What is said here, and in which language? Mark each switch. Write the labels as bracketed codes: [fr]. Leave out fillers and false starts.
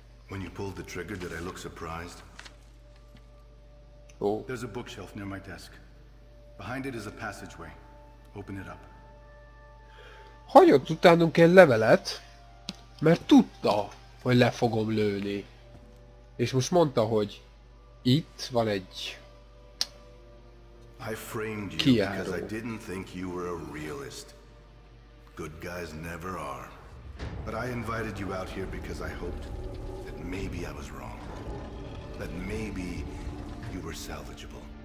[en] When you pulled the trigger, did I look surprised? Oh. There's a bookshelf near my desk. Behind it is a passageway. Open it up. [hu] Hagyott utánunk egy levelet, mert tudta, hogy le fogom lőni. És most mondta, hogy itt van egy kiáró. [en] I framed you because I didn't think you were a realist. Good guys never are. But I invited you out here because I hoped that maybe I was wrong. That maybe you were salvageable.